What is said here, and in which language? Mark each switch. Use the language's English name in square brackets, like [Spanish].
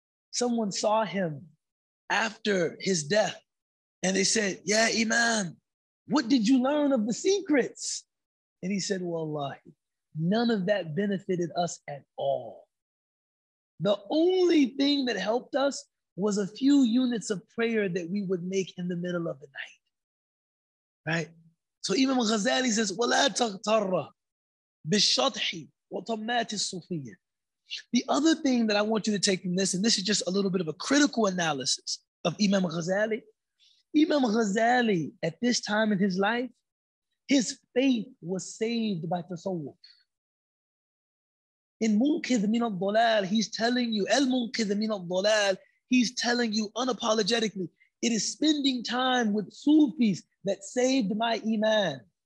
[English] Someone saw him after his death and they said, yeah, Imam, what did you learn of the secrets? And he said, wallahi, none of that benefited us at all. The only thing that helped us was a few units of prayer that we would make in the middle of the night, right? [Arabic] So Imam Ghazali says, وَلَا تَغْتَرَّ بِالشَّطْحِ وَطَمَّاتِ الصُّفِيَّةِ. [English] The other thing that I want you to take from this, and this is just a little bit of a critical analysis of Imam Ghazali. Imam Ghazali, at this time in his life, his faith was saved by tasawwuf. In Munqidh Min al-Dhalal, he's telling you, Al-Munqidh Min al-Dhalal, he's telling you unapologetically, it is spending time with Sufis that saved my iman.